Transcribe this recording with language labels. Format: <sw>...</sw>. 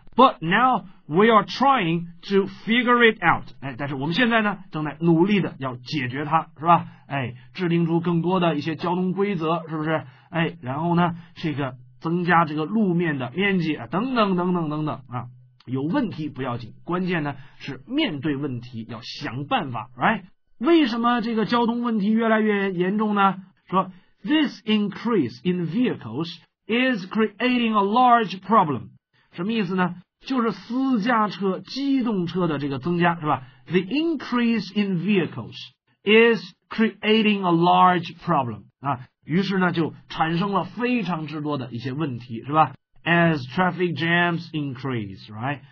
<en>But now we are trying to figure it out。</en> <zh>哎，但是我们现在呢正在努力的要解决它，是吧？哎，制定出更多的一些交通规则，是不是？哎，然后呢这个增加这个路面的面积啊，等等等等等等啊。有问题不要紧，关键呢是面对问题要想办法， right？为什么这个交通问题越来越严重呢？</zh> <en>说 This increase in vehicles is creating a large problem。</en> <zh>什么意思呢？就是私家车机动车的这个增加，是吧？</zh> <en>The increase in vehicles is creating a large problem</en> <zh>啊，于是呢就产生了非常之多的一些问题，是吧？</zh> <en>As traffic jams increase, right?</en>